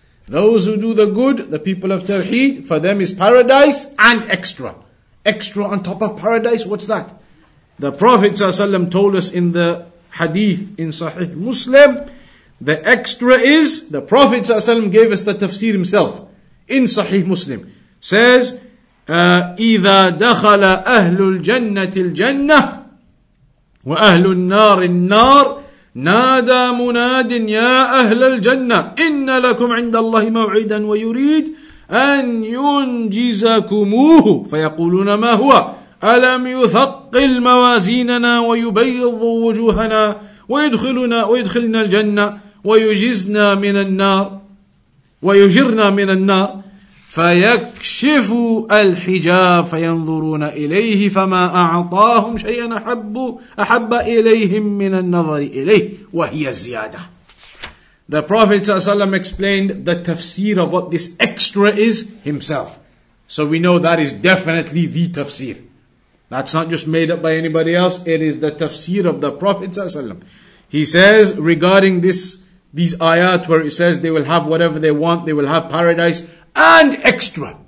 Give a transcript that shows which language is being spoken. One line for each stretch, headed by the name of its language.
English: Those who do the good, the people of Tawheed, for them is paradise and extra. Extra on top of paradise, what's that? The Prophet ﷺ told us in the hadith in Sahih Muslim, the extra is, the Prophet ﷺ gave us the tafsir himself in Sahih Muslim. Says,
Arabic: إِذَا دَخَلَ أَهْلُ الْجَنَّةِ الْجَنَّةِ وَأَهْلُ النَّارِ النَّارِ نادى مناد يا أهل الجنة إن لكم عند الله موعدا ويريد أن ينجزكموه فيقولون ما هو ألم يثقل موازيننا ويبيض وجوهنا ويدخلنا الجنة ويجزنا من النار ويجرنا من النار فيكشف الحجاب فينظرون إليه فما أعطاهم شيئا أحب إليهم من النظر إليه وهي الزيادة.
English: The Prophet ﷺ explained the tafsir of what this extra is himself. So we know that is definitely the tafsir. That's not just made up by anybody else. It is the tafsir of the Prophet ﷺ. He says regarding these ayat where it says they will have whatever they want, they will have paradise, and extra.